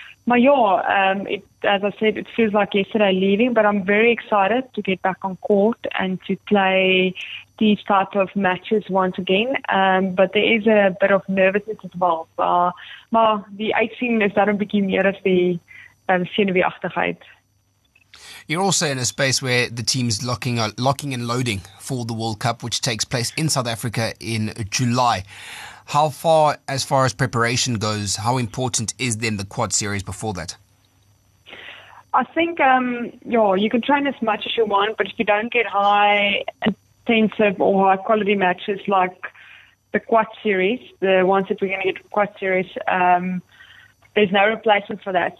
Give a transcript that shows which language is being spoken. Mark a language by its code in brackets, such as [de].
[en] But yeah, it, as I said, it feels like yesterday leaving, but I'm very excited to get back on court and to play these type of matches once again. But there is a bit of nervousness as well. [af] Maar die uitsien is daarom bietjie meer as die senuweeagtigheid. [en] You're also in a space where the team's locking and loading for the World Cup, which takes place in South Africa in July. How far, as far as preparation goes, how important is then the quad series before that? I think, you can train as much as you want, but if you don't get high intensive or high quality matches like the quad series, the ones that we're going to get quad series, there's no replacement for that.